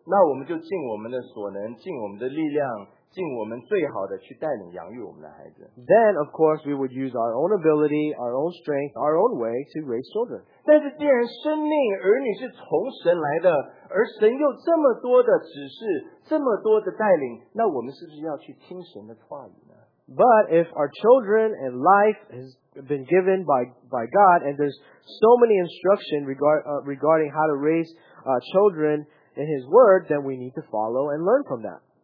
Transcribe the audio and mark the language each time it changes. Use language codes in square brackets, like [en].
[zh] 那我们就尽我们的所能，尽我们的力量。 [en] Then, of course, we would use our own ability, our own strength, our own way to raise children. [zh] 但是既然生命儿女是从神来的，而神又这么多的指示，这么多的带领，那我们是不是要去听神的话语呢？ [en] But if our children and life has been given by God, and there's so many instruction regarding how to raise children in His Word, then we need to follow and learn from that.